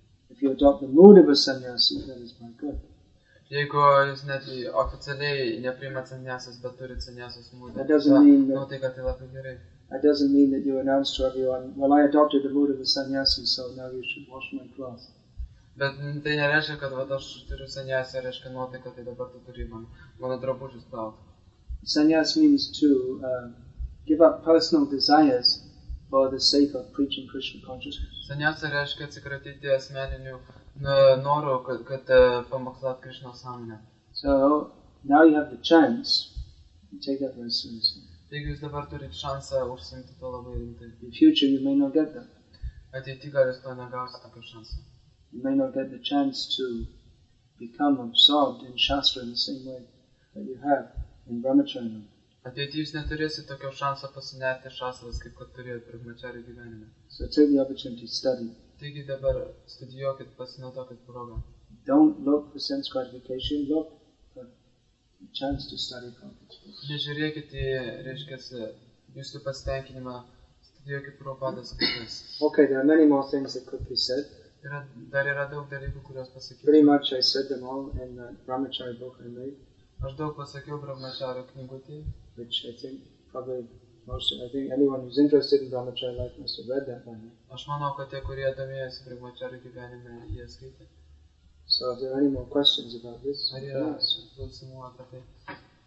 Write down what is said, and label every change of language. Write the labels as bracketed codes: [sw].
[en] If you adopt the mood of a sannyas, then it's very good. [lt] Jeigu jūs net oficialiai nepriimat sannyasas, bet turit sannyasas mūdą, tai kad tai labai gerai. [en] That doesn't mean that you announce to everyone, well, I adopted the mood of the sannyasi, so now you should wash my clothes. [lt] Bet tai nereiškia, kad aš turiu sannyasą, reiškia nuotaiką, tai dabar tu turi mano drabužius plauti. [en] Sannyas means to give up personal desires for the sake of preaching Krishna consciousness. [lt] Sannyasa reiškia atsikratyti asmeninių noriu, kad pamokslat Krishna sąmonę. [en] So now you have the chance to take that very seriously. [lt] Taigi jūs dabar turite šansą užsiimti to labai rimtai. [en] In future you may not get that. [lt] Ateity gal jūs to negausite tokią šansą. [en] You may not get the chance to become absorbed in Shastra in the same way that you have in Brahmacharya. [lt] Ateity jūs neturėsite tokio šanso pasinerti šastras, kaip kad turėjote Brahmacharya gyvenime. [en] So take the opportunity to study. [lt] Taigi dabar studijuokit, pasinaudokit progą. [en] Don't look for sense gratification, look for the chance to study Prabhupada. [lt] Nežiūrėkit į, reiškia, jūsų pasitenkinimą, studijuokit Prabhupada skaitas. [en] Okay, there are many more things that could be said. [lt] Yra, dar yra daug dalykų, kuriuos pasakyti. [en] Pretty much I said them all in the Brahmacharya book I made. [lt] Aš daug pasakiau Brahmacharya knygutį. [en] Which I think probably most, I think anyone who's interested in Brahmacharya life must have read that one. [lt] Aš manau, kad tie, kurie domėjosi Brahmacharya gyvenime, jie skaitė. [en] So are there any more questions about this? [lt] Ar yra klausimų apie tai?